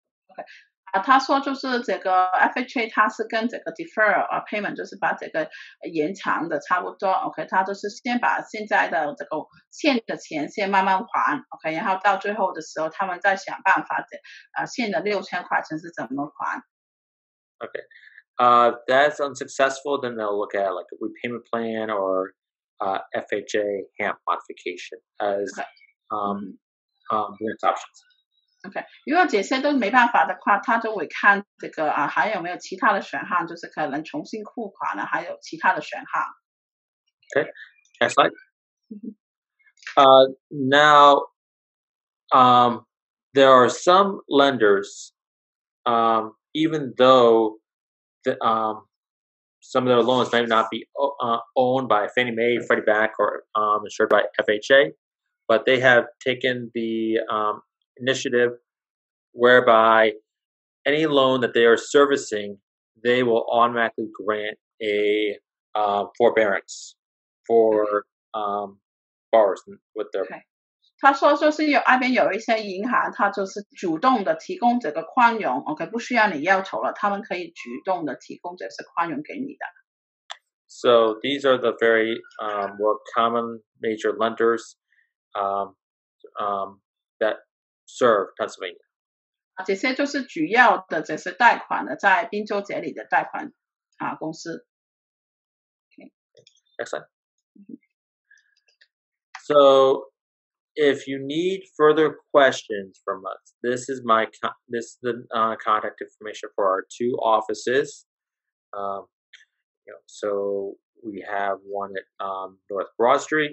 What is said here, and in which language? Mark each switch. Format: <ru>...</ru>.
<zh>Okay. 他说就是这个 FHA 它是跟这个</zh> <en>defer payment</en> <zh>就是把这个延长的差不多 OK 他就是先把现在的这个欠的钱先慢慢还 OK 然后到最后的时候他们再想办法这欠的6000块钱是怎么还</zh> <en>OK that's unsuccessful then they'll look at like a repayment plan or FHA HAMP modification as next options</en> <zh>OK 如果这些都没办法的话他就会看这个啊还有没有其他的选项就是可能重新付款了还有其他的选项</zh> <en>OK next slide now there are some lenders even though the, some of their loans may not be owned by Fannie Mae, Freddie Mac or insured by FHA but they have taken the initiative whereby any loan that they are servicing, they will automatically grant a forbearance for borrowers with their. Okay.</en> <zh>他说就是有那边有一些银行，他就是主动的提供这个宽容 ，OK， 不需要你要求了，他们可以主动的提供这些宽容给你的。</zh> <en>So these are the very more common major lenders, that serve Pennsylvania.</en> <zh>这些就是主要的这些贷款的在宾州这里的贷款啊公司。</zh> <en>Okay. Excellent. So if you need further questions from us, this is my this is the contact information for our two offices. So we have one at North Broad Street.</en>